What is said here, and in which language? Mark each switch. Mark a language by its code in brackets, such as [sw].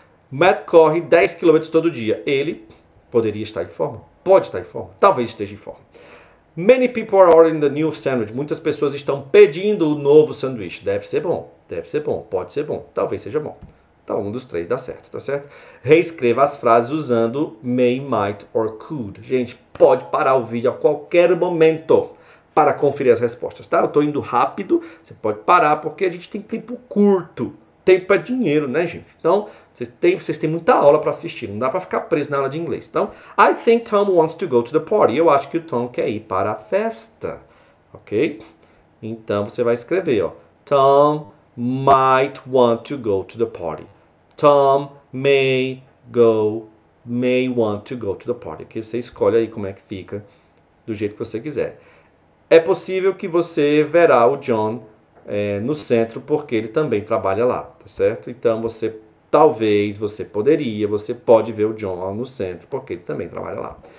[pt] Matt corre 10 km todo dia. Ele poderia estar em forma? Pode estar em forma? Talvez esteja em forma. [en] Many people are ordering the new sandwich. [pt] Muitas pessoas estão pedindo o novo sanduíche. Deve ser bom. Deve ser bom. Pode ser bom. Talvez seja bom. Tá, um dos três dá certo, tá certo? Reescreva as frases usando [en] may, might or could. [pt] Gente, pode parar o vídeo a qualquer momento para conferir as respostas, tá? Eu tô indo rápido, você pode parar porque a gente tem tempo curto. Tempo é dinheiro, né, gente? Então, vocês têm muita aula para assistir, não dá para ficar preso na aula de inglês. Então, [en] I think Tom wants to go to the party. [pt] Eu acho que o Tom quer ir para a festa, ok? Então, você vai escrever, ó. [en] Tom might want to go to the party. Tom may want to go to the party. [pt] Que você escolhe aí como é que fica, do jeito que você quiser. É possível que você verá o John no centro, porque ele também trabalha lá, tá certo? Então você talvez, você poderia, você pode ver o John lá no centro, porque ele também trabalha lá.